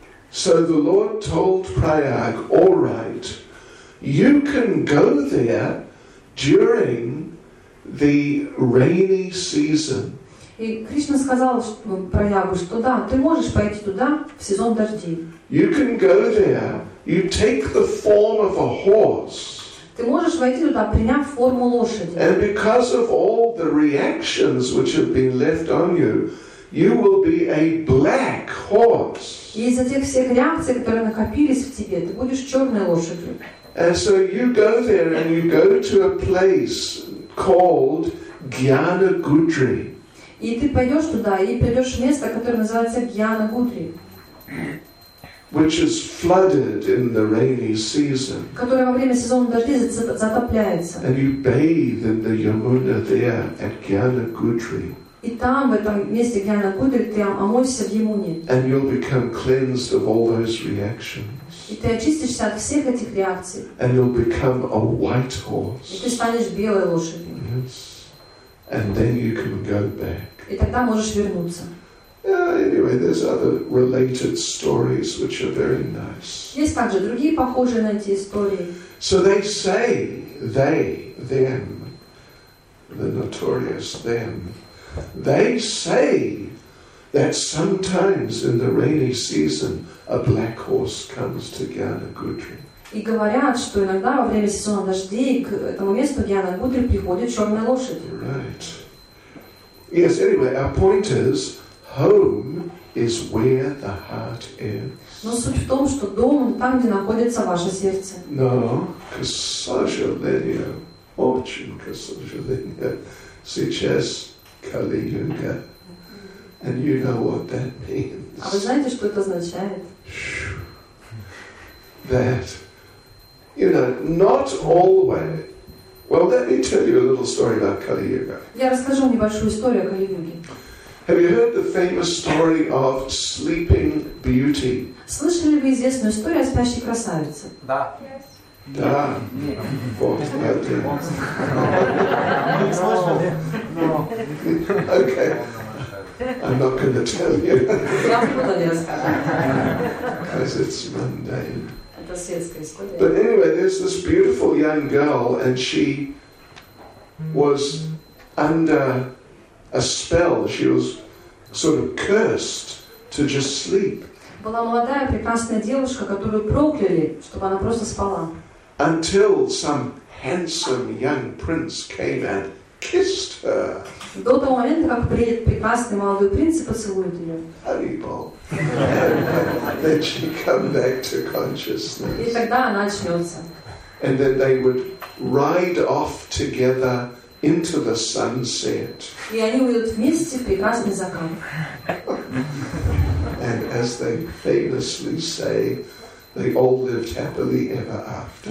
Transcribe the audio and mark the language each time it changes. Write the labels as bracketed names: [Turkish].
[English] So the Lord told Prayag, all right, you can go there during the rainy season. [Russian] И Кришна сказал Проягу, что да, ты можешь пойти туда в сезон дождей. [English] You can go there, you take the form of a horse. [Russian] Ты можешь войти туда, приняв форму лошади. [English] And because of all the reactions which have been left on you, you will be a black horse. [Russian] И из-за тех всех реакций, которые накопились в тебе, ты будешь черной лошадью. [English] And so you go there and you go to a place called Gyanagudri. [Russian] И ты пойдешь туда и придешь в место, которое называется Гьянагудри. [English] Which is flooded in the rainy season. [Russian] Которая во время сезона дождей затопляется. [English] And you bathe in the Yamuna there at Gyanagudri. [Russian] И там, в этом месте Гьянагудри, ты омоешься в Ямуне. [English] And you'll become cleansed of all those reactions. [Russian] И ты очистишься от всех этих реакций. [English] And you'll become a white horse. [Russian] И ты станешь белой лошадью. [English] Yes. And then you can go back. [Russian] И тогда можешь вернуться. [English] Anyway, there's other related stories which are very nice. [Russian] Есть также другие похожие на эти истории. [English] So they say, the notorious them, they say that sometimes in the rainy season a black horse comes to Gyanagudri. [Russian] И говорят, что иногда во время сезона дождей к этому месту Гьянагудри приходит черная лошадь. [English] Right. Yes, anyway, our point is, home is where the heart is. [Russian] Но суть в том, что дом там, где находится ваше сердце. No, к сожалению, очень к сожалению, сейчас Кали-юга. [English] And you know what that means. [Russian] А вы знаете, что это означает? [English] That, you know, not always. Well, let me tell you a little story about Kali-Yuga. [Russian] Я расскажу небольшую историю о Кали-Юге. [English] Have you heard the famous story of Sleeping Beauty? [Russian] Слышали вы известную историю о спящей красавице? Да. Да. Вот. Okay. [English] I'm not going to tell you. Because it's mundane. But anyway, there's this beautiful young girl, and she was under a spell. She was sort of cursed to just sleep. [Russian] Была молодая прекрасная девушка, которую прокляли, чтобы она просто спала. [English] Until some handsome young prince came and kissed her. [Russian] До того момента, как приедет прекрасный молодой принц и поцелует ее. [English] Honeyball. Then she come back to consciousness. [Russian] И тогда она очнется. [English] And then they would ride off together into the sunset. [Russian] И они уйдут вместе в прекрасный закат. [English] And as they famously say, they all lived happily ever after.